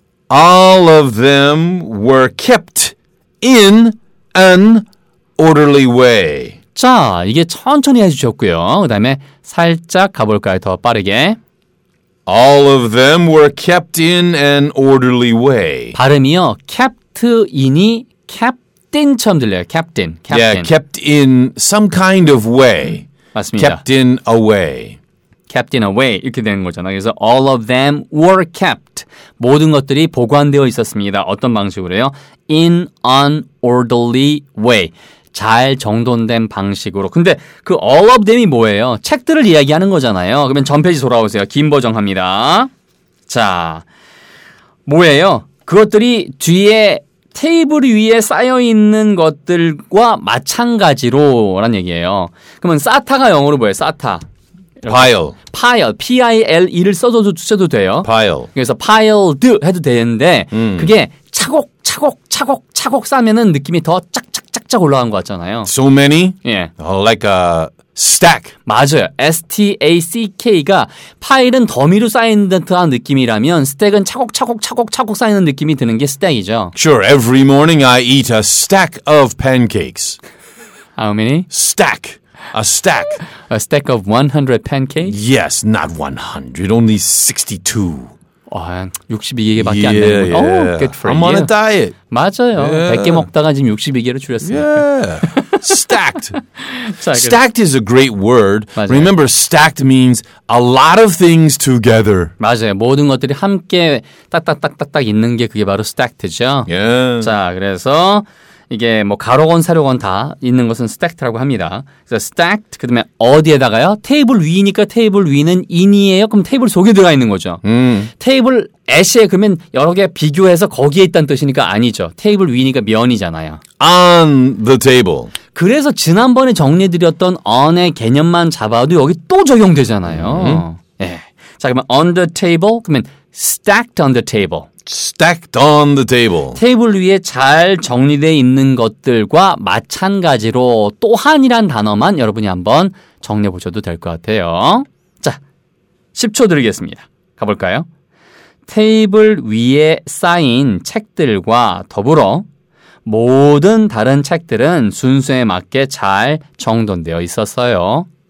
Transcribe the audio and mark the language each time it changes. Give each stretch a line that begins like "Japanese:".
English: All of them were kept in an orderly way.
Korean: 자, 이게 천천히 해주셨고요. 그 다음에 살짝 가볼까요? 더 빠르게.
English: All of them were kept in an orderly way.
Korean: 발음이요.
English: kept in
Korean: 이 captain처럼 들려요.
English: Captain, captain. Yeah, kept in some kind of way.
Korean: 맞습니다.
English: Kept in a way. Kept in a way
Korean: 이렇게 되는 거잖아요. 그래서
English: all of them were kept.
Korean: 모든 것들이 보관되어 있었습니다. 어떤 방식으로요?
English: In an orderly way.
Korean: 잘 정돈된 방식으로. 근데 그 all of them이 뭐예요? 책들을 이야기하는 거잖아요. 그러면 전페이지 돌아오세요. 긴 버전 합니다. 자, 뭐예요? 그것들이 뒤에 테이블 위에 쌓여있는 것들과 마찬가지로란 얘기예요. 그러면 싸타가 영어로 뭐예요? 싸타.
English: Pile. Pile.
Korean: P-I-L-E를 써도 쓰셔도 돼요.
English: Pile.
Korean: 그래서 piled 해도 되는데 그게 차곡차곡 쌓으면 느낌이 더 쫙쫙쫙쫙 올라간 것 같잖아요.
English: So many?
Korean: 예.
English: Like a stack.
Korean: 맞아요. S-T-A-C-K가 파일은 더미로 쌓인 듯한 느낌이라면 스택은 차곡차곡 쌓이는 느낌이 드는 게 스택이죠.
English: Sure. Every morning I eat a stack of pancakes. How many? Stack. A stack. A stack of 100 pancakes? Yes, not 100. Only 62.
Korean: 아, 62개밖에 안 되는 거.
English: Oh, good for I'm you. I'm on a diet.
Korean: 맞아요.
English: Yeah.
Korean: 100개 먹다가 지금 62개로 줄였어요.
English: Yeah. Stacked. Stacked is a great word.
Korean: 맞아요.
English: Remember, stacked means a lot of things together.
Korean: 맞아요. 모든 것들이 함께 딱딱딱딱딱 있는 게 그게 바로 stacked죠.
English: Yeah.
Korean: 자, 그래서 이게 뭐 가로건 사로건 다 있는 것은 stacked라고 합니다. 그래서 stacked 그다음에 어디에다가요? 테이블 위니까 테이블 위는 in이에요. 그럼 테이블 속에 들어가 있는 거죠. 테이블 at에 그러면 여러 개 비교해서 거기에 있다는 뜻이니까 아니죠. 테이블 위니까 면이잖아요.
English: On the table.
Korean: 그래서 지난번에 정리해드렸던 on의 개념만 잡아도 여기 또 적용되잖아요. 예. 자 그러면
English: on the table 그러면 stacked on the table. Stacked on the table.
Korean: 테이블 위에 잘 정리되어 있는 것들과 마찬가지로 또한이란 단어만 여러분이 한번 정리해 보셔도 될 것 같아요. 자, 10초 드리겠습니다. 가볼까요? 테이블 위에 쌓인 책들과 더불어 모든 다른 책들은 순서에 맞게 잘 정돈되어 있었어요.